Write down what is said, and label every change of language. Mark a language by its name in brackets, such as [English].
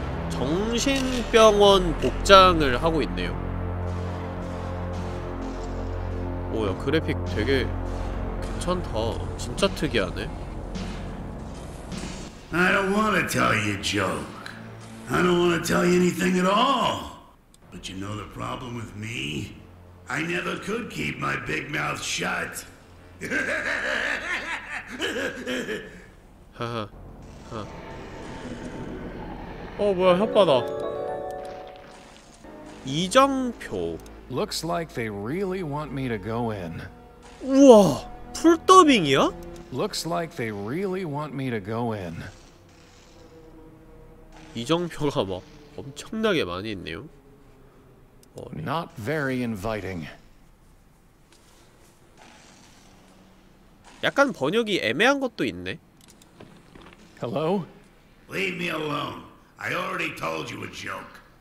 [Korean] 정신병원 복장을 하고 있네요. 오야, 그래픽 되게 괜찮다. 진짜 특이하네. [English] I don't want to tell you a joke. I don't want to tell you anything at all. But you know the problem with me? I never could keep my big mouth shut. 하하. [Korean] 어, 뭐야, 혓바닥. 이정표. [English] Looks like they really want me to go in. [Korean] 우와, 풀더빙이야? [English] Looks like they really want me to go in. [Korean] 이정표가 막 엄청나게 많이 있네요. [English] Not very inviting. [Korean] 약간 번역이 애매한 것도 있네. [English] Hello? Leave me alone. I already told you a joke.